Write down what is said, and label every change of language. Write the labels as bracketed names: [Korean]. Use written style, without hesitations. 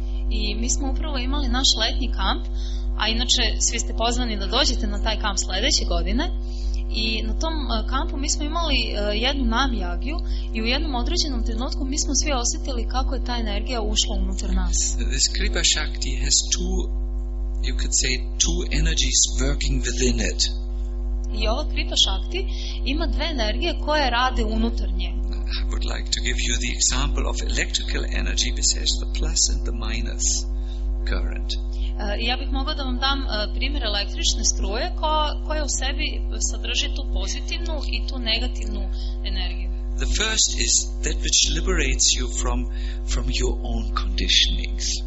[Bosnian] I mi smo upravo imali naš letnji kamp, a inače svi ste pozvani da dođete na taj kamp sljedeće godine. I na tom kampu mi smo imali jednu namjagiju i u jednom određenom trenutku mi smo svi osjetili kako je ta energija ušla unutar nas. [English] This Kripa Shakti has two, you could say, two energies working within it. [Bosnian] I ova Kripa Shakti ima dve energije koje rade unutar nje. [English] I would like to give you the example of electrical energy, which has the plus and the minus current. [Bosnian] Ja bih mogla da vam dam primjer električne struje koja u sebi sadrži tu pozitivnu i tu negativnu energiju. [English] The first is that which liberates you from your own conditionings.